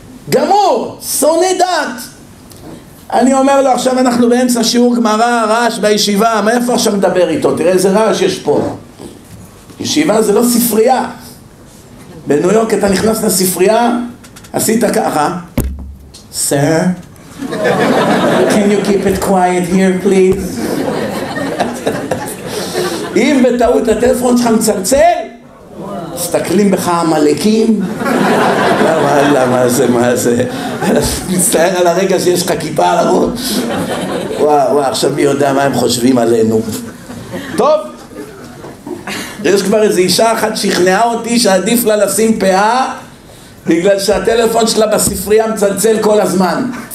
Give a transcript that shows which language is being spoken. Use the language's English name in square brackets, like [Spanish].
[Hebrew] גמור, שונא דת. אני אומר לו, עכשיו אנחנו באמצע שיעור גמרא, רעש בישיבה, מאיפה עכשיו מדבר איתו? תראה איזה רעש יש פה. ישיבה זה לא ספרייה. בניו יורק אתה נכנס לספרייה, עשית ככה. [English] Sir, can you keep it quiet here, please? [Hebrew] אם בטעות הטלפון שלך מצלצל, מסתכלים בך המלאקים. וואלה, מה זה, מה זה? מצטער על הרגע שיש לך כיפה על הראש. וואו, וואו, עכשיו מי יודע מה הם חושבים עלינו. טוב, יש כבר איזו אישה אחת שכנעה אותי שעדיף לה לשים פאה בגלל שהטלפון שלה בספרייה מצלצל כל הזמן.